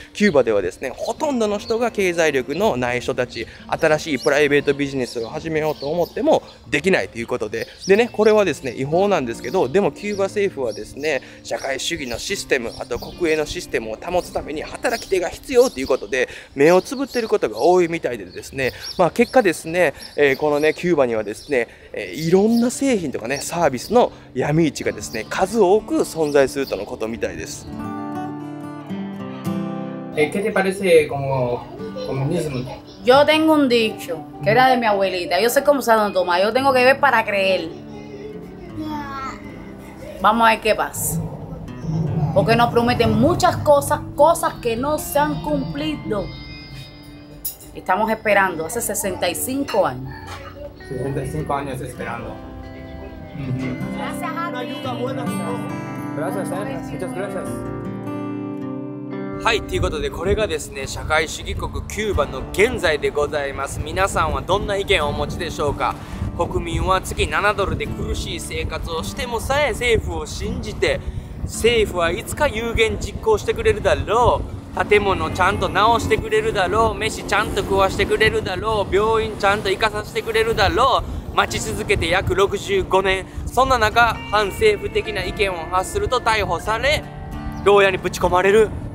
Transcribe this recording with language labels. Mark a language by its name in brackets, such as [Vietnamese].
[Japanese] キューバではですねほとんどの人が経済力のない人たち、新しいプライベートビジネスを始めようと思ってもできないということで、でねこれはですね違法なんですけど、でもキューバ政府はですね社会主義のシステム、あと国営のシステムを保つために働き手が必要ということで目をつぶっていることが多いみたいでですね、まあ結果ですね、このねキューバにはですね、いろんな製品とかねサービスの闇市がですね数多く存在するとのことみたいです。 [Spanish] ¿Qué te parece como comunismo? Yo tengo un dicho que era de mi abuelita. Yo sé cómo se lo toma. Yo tengo que ver para creer. Vamos a ver qué pasa. Porque nos prometen muchas cosas, cosas que no se han cumplido. Estamos esperando hace 65 años. 65 años esperando. Gracias, Javi. Una ayuda buena. Gracias, muchas gracias. [Japanese] はい、ということでこれがですね、社会主義国キューバの現在でございます。皆さんはどんな意見をお持ちでしょうか。国民は月7ドルで苦しい生活をしてもさえ政府を信じて、政府はいつか有言実行してくれるだろう、建物ちゃんと直してくれるだろう、飯ちゃんと食わしてくれるだろう、病院ちゃんと行かさせてくれるだろう、待ち続けて約65年、そんな中反政府的な意見を発すると逮捕され、牢屋にぶち込まれる。